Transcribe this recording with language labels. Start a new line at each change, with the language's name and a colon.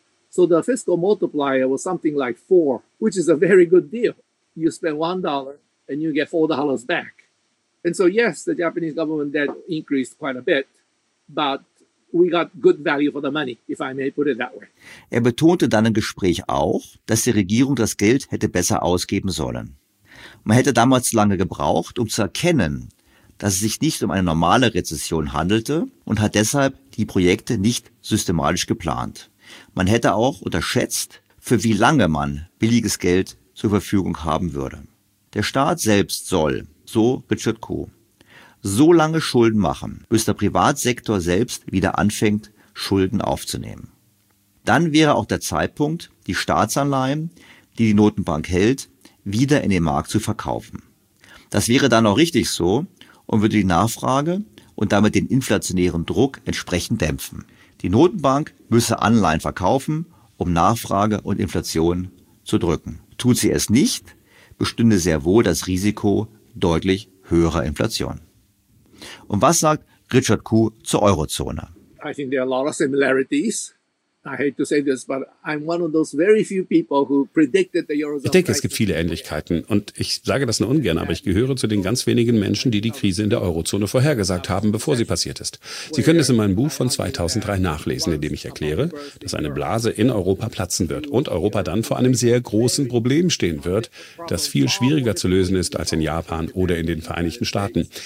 English: So the fiscal multiplier was something like 4, which is a very good deal. You spend $1 and you get $4 back. And so yes, the Japanese government debt increased quite a bit, but we got good value for the money, if I may put it that way.
German: Er betonte dann im Gespräch auch, dass die Regierung das Geld hätte besser ausgeben sollen. Man hätte damals lange gebraucht, um zu erkennen, dass es sich nicht um eine normale Rezession handelte und hat deshalb die Projekte nicht systematisch geplant. Man hätte auch unterschätzt, für wie lange man billiges Geld zur Verfügung haben würde. Der Staat selbst soll, so Richard Koo, so lange Schulden machen, bis der Privatsektor selbst wieder anfängt, Schulden aufzunehmen. Dann wäre auch der Zeitpunkt, die Staatsanleihen, die die Notenbank hält, wieder in den Markt zu verkaufen. Das wäre dann auch richtig so und würde die Nachfrage und damit den inflationären Druck entsprechend dämpfen. Die Notenbank müsse Anleihen verkaufen, um Nachfrage und Inflation zu drücken. Tut sie es nicht, bestünde sehr wohl das Risiko deutlich höherer Inflation. Und was sagt Richard Koo zur Eurozone?
English: I think there are a lot of similarities. I hate to say this, but I'm one of those very few people who predicted the Eurozone.
German: Ich denke, es gibt viele Ähnlichkeiten. Und ich sage das nur ungern, aber ich gehöre zu den ganz wenigen Menschen, die die Krise in der Eurozone vorhergesagt haben, bevor sie passiert ist. Sie können es in meinem Buch von 2003 nachlesen, in dem ich erkläre, dass eine Blase in Europa platzen wird und Europa dann vor einem sehr großen Problem stehen wird, das viel schwieriger zu lösen ist als in Japan oder in den Vereinigten Staaten.